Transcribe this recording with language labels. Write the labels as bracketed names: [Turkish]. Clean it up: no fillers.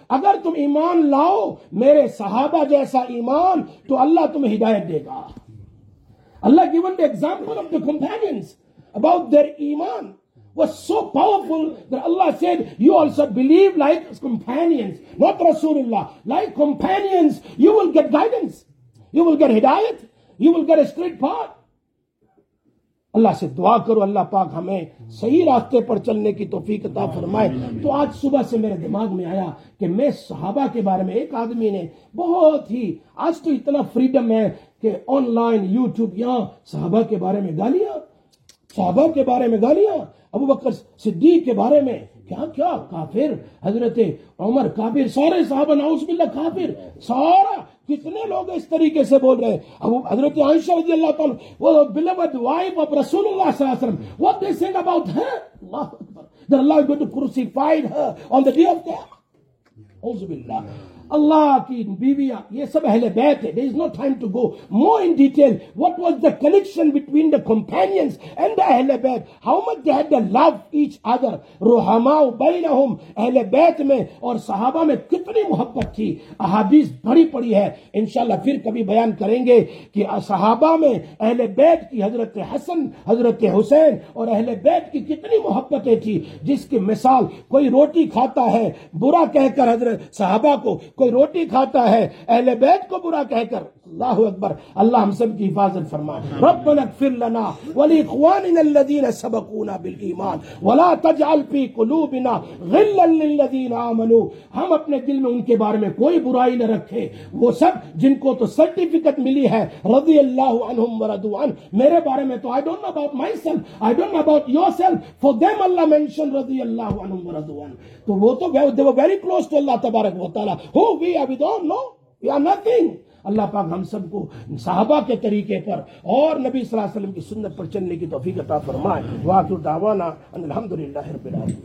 [Urdu] اگر تم ایمان لاؤ میرے صحابہ جیسا ایمان تو اللہ تمہیں ہدایت دے گا. [English] Allah given the example of the companions about their ایمان was so powerful that Allah said, you also believe like companions, not Rasulullah, like companions, you will get guidance, you will get hidayat, you will get a straight path. [Urdu] اللہ سے دعا کرو اللہ پاک ہمیں صحیح راستے پر چلنے کی توفیق عطا فرمائے. تو آج صبح سے میرے دماغ میں آیا کہ میں صحابہ کے بارے میں, ایک آدمی نے بہت ہی, آج تو اتنا فریڈم ہے کہ آن لائن یوٹیوب یہاں صحابہ کے بارے میں گالیاں, صحابہ کے بارے میں گالیاں, ابو بکر صدیق کے بارے میں کیا کیا, کافر, حضرت عمر کافر, سارے صحابہ نعوذ باللہ کافر, سارا, کتنے لوگ اس طریقے سے بول رہے ہیں. ابو حضرت عائشہ رضی اللہ تعالی وہ [English] beloved wife of [Urdu] رسول اللہ صلی اللہ علیہ وسلم, [English] what they saying about her, [Urdu] Allah Akbar, Allah [English] is going to crucify her on the day of death. [Urdu] اعوذ باللہ, اللہ کی بیویاں, یہ سب اہل بیت ہے. [English] There is no time to go more in detail. What was the connection between the companions and the اہل بیت? How much they had the love each other. [Urdu] رحماء بینہم, اہل بیت میں اور صحابہ میں کتنی محبت تھی. احادیث بڑی پڑی ہے, انشاءاللہ پھر کبھی بیان کریں گے کہ صحابہ میں اہل بیت کی, حضرت حسن, حضرت حسین اور اہل بیت کی کتنی محبتیں تھی. جس کی مثال, کوئی روٹی کھاتا ہے برا کہہ کر حضرت صحابہ کو, کوئی روٹی کھاتا ہے اہل بیت کو برا کہہ کر. اللہ اکبر, اللہ ہم سب کی حفاظت فرمائے. [Arabic] ربنا اغفر لنا ولإخواننا الذين سبقونا بالإيمان ولا تجعل في قلوبنا غلا للذين آمنوا. [Urdu] ہم اپنے دل میں ان کے بارے میں کوئی برائی نہ رکھے, وہ سب جن کو تو سرٹیفکیٹ ملی ہے رضی اللہ عنہم ورضوا عنہ. میرے بارے میں تو [English] I don't know about myself, I don't know about yourself, for them Allah mentioned رضی اللہ عنہم ورضوا عنہ. [Urdu] تو وہ تو [English] they were very close to Allah تبارک و تعالی. Who we are, we don't know, we are nothing. [Urdu] اللہ پاک ہم سب کو صحابہ کے طریقے پر اور نبی صلی اللہ علیہ وسلم کی سنت پر چلنے کی توفیق عطا فرمائے. [Arabic] واخر دعوانا ان الحمدللہ رب العالمین.